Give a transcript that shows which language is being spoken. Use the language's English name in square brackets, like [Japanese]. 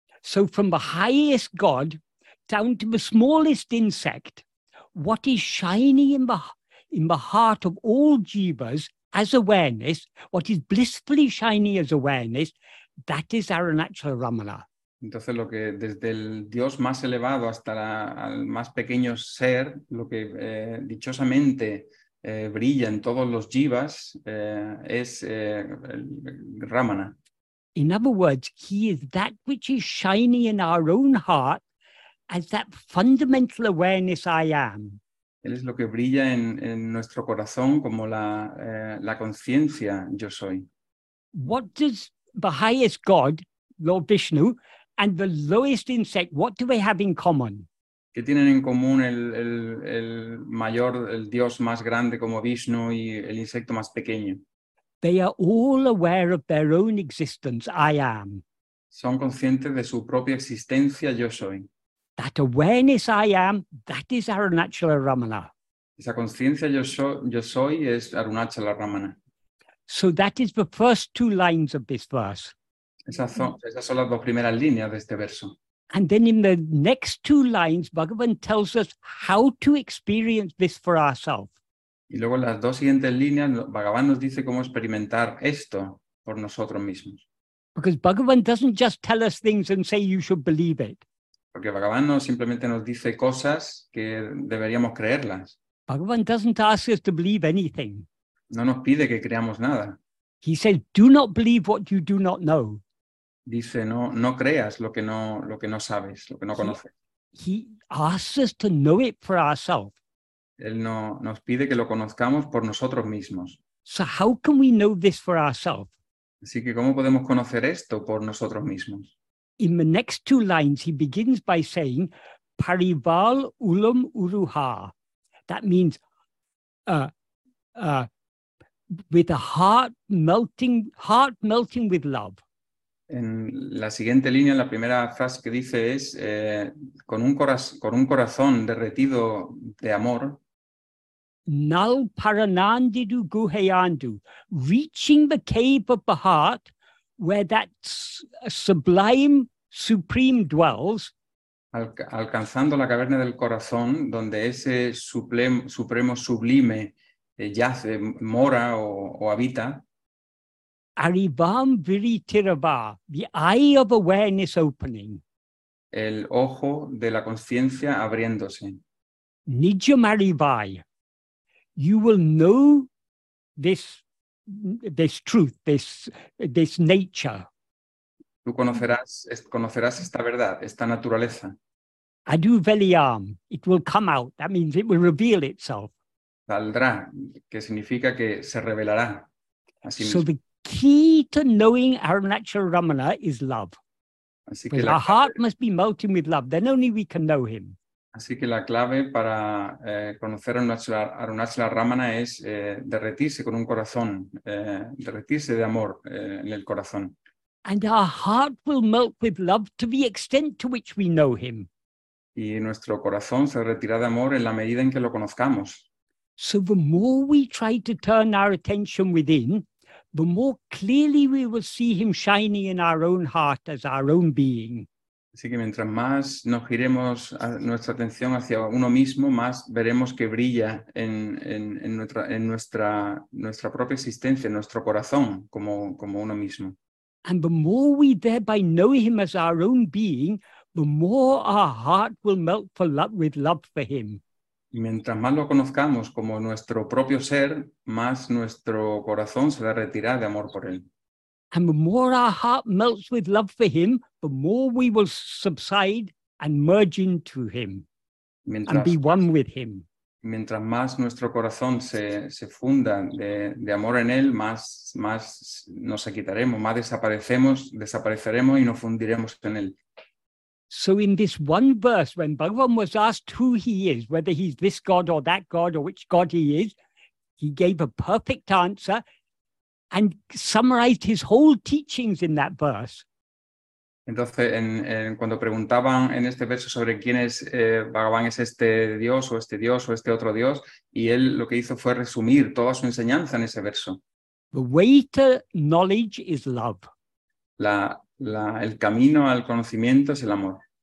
[English] So from the highest god down to the smallest insect, what is shining in the heart of all jivas as awareness, what is blissfully shining as awareness, that is Arunachala Ramana. [Spanish] Entonces, lo que desde el Dios más elevado hasta al más pequeño ser, lo que dichosamente brilla en todos los jivas es Ramana. [English] In other words, he is that which is shining in our own heart as that fundamental awareness I am. [Spanish] Él es lo que brilla en nuestro corazón como la conciencia yo soy. [English] What does the highest God, Lord Vishnu, and the lowest insect, what do they have in common? [Spanish] ¿Qué tienen en común el Dios más grande como Vishnu y el insecto más pequeño? [English] They are all aware of their own existence, I am. [Spanish] Son conscientes de su propia existencia, yo soy. [English] That awareness I am, that is Arunachala Ramana. [Spanish] Esa conciencia yo soy es Arunachala Ramana. [English] So that is the first two lines of this verse. [Spanish] Esas son las dos primeras líneas de este verso. [English] And then in the next two lines, Bhagavan tells us how to experience this for ourselves. [Spanish] Y luego en las dos siguientes líneas, Bhagavan nos dice cómo experimentar esto por nosotros mismos. [English] Because Bhagavan doesn't just tell us things and say you should believe it. [Spanish] Porque Bhagavan no simplemente nos dice cosas que deberíamos creerlas. [English] Bhagavan doesn't ask us to believe anything. [Spanish] No nos pide que creamos nada. [English] He says, do not believe what you do not know. [Spanish] Dice, no creas lo que no sabes, lo que no conoces. [English] He asks us to know it for ourselves. [Spanish] Él no, nos pide que lo conozcamos por nosotros mismos. [English] So how can we know this for ourselves? [Spanish] Así que, ¿cómo podemos conocer esto por nosotros mismos? [English] In the next two lines, he begins by saying, [Tamil] Parival Ulam Uruha. [English] That means, with a heart melting with love. [Spanish] En la siguiente línea, la primera frase que dice es, con un corazón derretido de amor. [Tamil] Nal Paranandidu Guhayandu. [English] Reaching the cave of the heart, where that sublime Supreme dwells. [Spanish] Alcanzando la caverna del corazón, donde ese supremo sublime yace, mora o habita. [Tamil] Arivam viritirava, [English] the eye of awareness opening. [Spanish] El ojo de la conciencia abriéndose. [Tamil] Nijam arivai, [English] you will know this truth, this nature. [Spanish] Tú conocerás esta verdad, esta naturaleza. [Tamil] Adu veliam, [English] it will come out. That means it will reveal itself. [Spanish] Saldrá, que significa que se revelará. Así [English] so the key to knowing Arunachala Ramana is love. [Spanish] Así que [English] our heart must be melting with love. Then only we can know him. [Spanish] Así que la clave para conocer Arunachala Ramana es derretirse con un corazón, derretirse de amor en el corazón. [English] And our heart will melt with love to the extent to which we know him. [Spanish] Y nuestro corazón se retira de amor en la medida en que lo conozcamos. [English] So the more we try to turn our attention within, the more clearly we will see him shining in our own heart as our own being. [Spanish] Así que mientras más nos giremos nuestra atención hacia uno mismo, más veremos que brilla en nuestra propia existencia, en nuestro corazón, como uno mismo. [English] And the more we thereby know him as our own being, the more our heart will melt for love, with love for him. [Spanish] Y mientras más lo conozcamos como nuestro propio ser, más nuestro corazón se derretirá de amor por él. [English] And the more our heart melts with love for him, the more we will subside and merge into him and be one with him. [Spanish] Mientras más nuestro corazón se funda de amor en él, más nos aquietaremos, más desapareceremos y nos fundiremos en él. [English] So in this one verse, when Bhagavan was asked who he is, whether he's this god or that god or which god he is, he gave a perfect answer and summarized his whole teachings in that verse. [Spanish] Entonces, cuando preguntaban en este verso sobre quién es Bhagavan, es este dios o este otro dios, y él lo que hizo fue resumir toda su enseñanza en ese verso. [English] The way to knowledge is love. [Spanish] El camino al conocimiento es el amor.